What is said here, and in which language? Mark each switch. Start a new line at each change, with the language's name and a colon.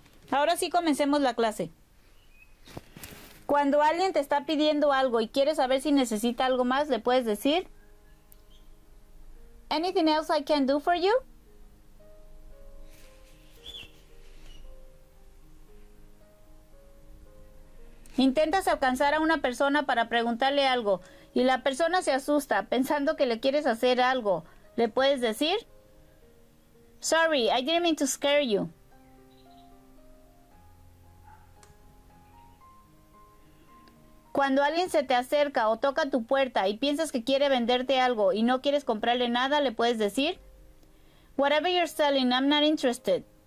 Spanish: Ahora sí comencemos la clase. Cuando alguien te está pidiendo algo y quieres saber si necesita algo más, le puedes decir:
English: Anything else I can do for you?
Spanish: Intentas alcanzar a una persona para preguntarle algo y la persona se asusta pensando que le quieres hacer algo. ¿Le puedes decir?
English: Sorry, I didn't mean to scare you.
Spanish: Cuando alguien se te acerca o toca tu puerta y piensas que quiere venderte algo y no quieres comprarle nada, ¿le puedes decir?
English: Whatever you're selling, I'm not interested.